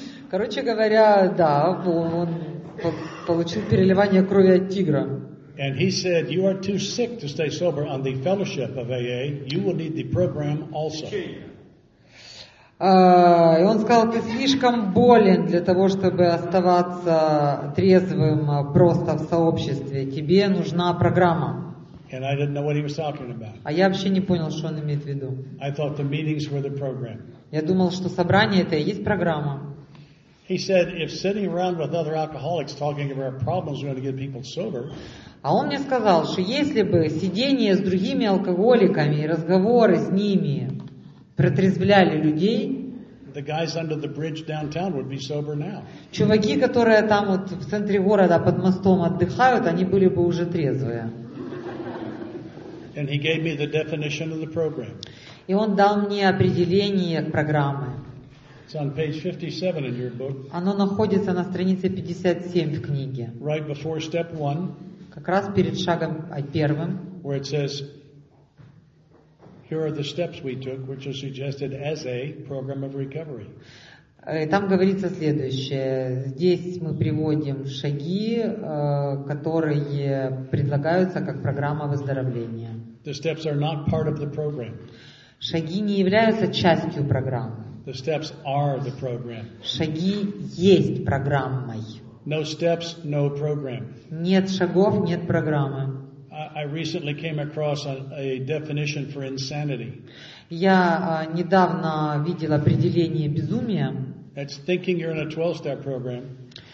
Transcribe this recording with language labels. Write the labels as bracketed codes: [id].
[ru] Короче говоря, да, он получил переливание крови от тигра. [en] And he said, "You are too sick to stay sober on the fellowship of AA. You will need the program also." [ru] И он сказал, ты слишком болен для того, чтобы оставаться трезвым просто в сообществе. Тебе нужна программа. [en] And I didn't know what he was talking about. [ru] А я вообще не понял, что он имеет в виду. [en] I thought the meetings were the program. [ru] Я думал, что собрание это и есть программа. [en] He said, if sitting around with other alcoholics talking about problems is going to get people sober. [ru] А он мне сказал, что если бы сидение с другими алкоголиками и разговоры с ними протрезвляли людей. [en] The guys under the bridge downtown would be sober now. [ru] Чуваки, которые там вот в центре города под мостом отдыхают, они были бы уже трезвые. [en] And he gave me the definition of the program. [ru] И он дал мне определение программы. [en] It's on page 57 in your book. [ru] Оно находится на странице 57 в книге. [en] Right before step one. [ru] Как раз перед шагом первым. [en] Where it says, here are the steps we took, which are suggested as a program of recovery. [ru] Там говорится следующее. Здесь мы приводим шаги, которые предлагаются как программа выздоровления. [en] The steps are not part of the program. [ru] Шаги не являются частью программы. [en] The steps are the program. [ru] Шаги есть программой. [en] No steps, no program. [ru] Нет шагов, нет программы. [en] I recently came across a definition for insanity. [ru] Я недавно видел определение безумия. [en] It's thinking you're in a 12-step program.